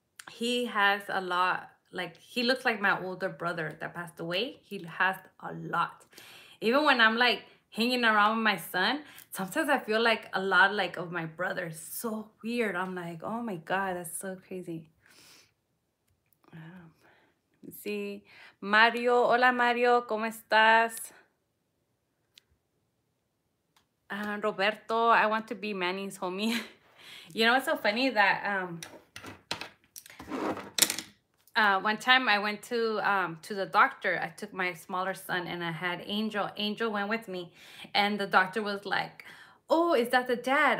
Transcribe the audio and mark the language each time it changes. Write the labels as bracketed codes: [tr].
[en] He has a lot. Like, he looks like my older brother that passed away. He has a lot. Even when I'm, like, hanging around with my son, sometimes I feel like a lot, like, of my brother. It's so weird. I'm like, oh, my God, that's so crazy. See, [es] Mario, hola Mario, ¿cómo estás? [en] Roberto, I want to be Manny's homie. You know, it's so funny that one time I went to the doctor. I took my smaller son and I had Angel. Angel went with me and the doctor was like, oh, is that the dad?